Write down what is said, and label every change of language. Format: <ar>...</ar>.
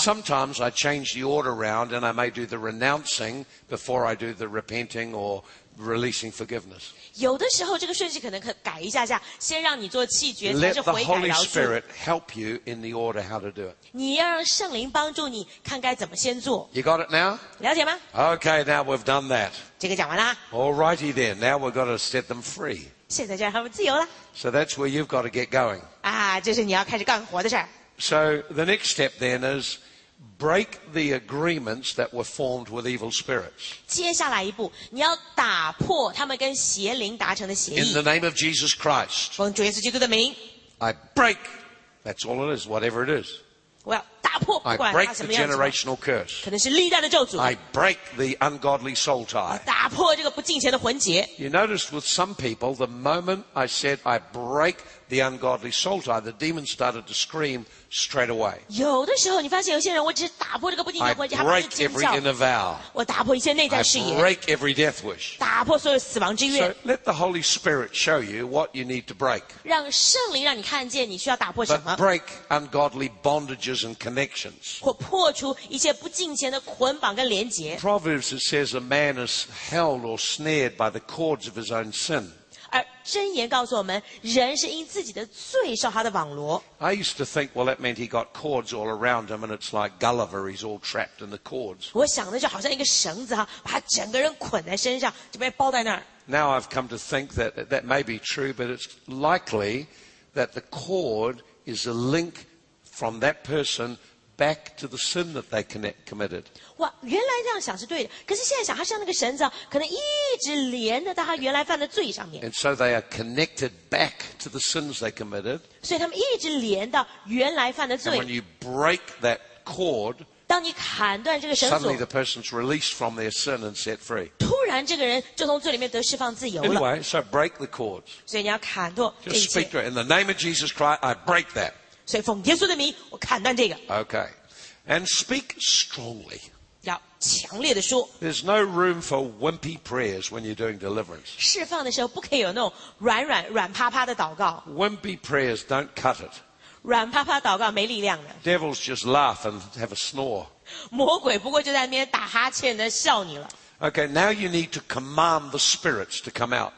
<en>Sometimes I change the order around and I may do the renouncing before I do the repenting or releasing forgiveness.</en> <zh>有的时候这个顺序可能可改一下下，先让你做弃绝，才是悔改饶恕。</zh> <en>Let the Holy Spirit help you in the order how to do it.</en> <zh>你要让圣灵帮助你，看该怎么先做。</zh> <en>You got it now?</en> <zh>了解吗</zh> <en>？Okay, now we've done that.</en> <zh>这个讲完啦。</zh> <en>Alrighty then, now we've got to set them free.</en> <zh>现在就让他们自由了。</zh> <en>So that's where you've got to get going.</en> <zh>啊，这是你要开始干活的事儿。</zh> <en>So the next step then is. Break the agreements that were formed with evil spirits.</en> <zh>接下来一步，你要打破他们跟邪灵达成的协议。</zh> <en>In the name of Jesus Christ.</en> <zh>奉主耶稣基督的名。</zh> <en>I break. That's all it is. Whatever it is.</en> <zh>我要打破，不管它什么样子。</zh> <en>I break the generational curse.</en> <zh>可能是历代的咒诅。</zh> <en>I break the ungodly soul tie.</en> <zh>打破这个不敬虔的魂结。</zh> <en>You noticed with some people, the moment I said I break. The ungodly soul tie. The demon started to scream straight away.</en> <zh>有的时候，你发现有些人，我只是打破这个不敬虔的魂结，他们就尖叫。</zh> <en>I break every inner vow.</en> <zh>我打破一切内在誓言。</zh> <en>I break every death wish.</en> <zh>打破所有死亡之愿。</zh> <en>So let the Holy Spirit show you what you need to break.</en> <zh>让圣灵让你看见你需要打破什么。</zh> <en>But break ungodly bondages and connections.</en> <zh>或破除一切不敬虔的捆绑跟连结。</zh> <en>Proverbs it says a man is held or snared by the cords of his own sin.</en> <zh>而箴言告诉我们，人是因自己的罪受他的网罗。</zh> <en>I used to think, well, that meant he got cords all around him, and it's like Gulliver, he's all trapped in the cords.</en> <zh>我想的就好像一个绳子哈，把他整个人捆在身上，就被包在那儿。</zh> <en>Now I've come to think that may be true, but it's likely that the cord is a link from that person. Back to the sin that they committed.</en> <zh>哇，原来这样想是对的。可是现在想，他像那个绳子，可能一直连着到他原来犯的罪上面。</zh> <en>And so they are connected back to the sins they committed.</en> <zh>所以他们一直连到原来犯的罪。</zh> <en>And when you break that cord,</en> <zh>当你砍断这个绳索</zh> <en>，suddenly the person's released from their sin and set free.</en> <zh>突然这个人就从罪里面得释放自由了。</zh> <en>Anyway, so break the cords.</en> <zh>所以你要砍断这一切。</zh> <en>Just speak to it in the name of Jesus Christ. I break that.</en> <zh>所以奉耶稣的名，我砍断这个。</zh> <en>Okay, and speak strongly.</en> <zh>要强烈的说。</zh> <en>There's no room for wimpy prayers when you're doing deliverance.</en> <zh>释放的时候不可以有那种软趴趴的祷告。</zh> <en>Wimpy prayers don't cut it.</en> <zh>软趴趴祷告没力量的。</zh> <en>Devils just laugh and have a snore.</en> <zh>魔鬼不过就在那边打哈欠的笑你了。</zh> <en>Okay, now you need to command the spirits to come out.</en>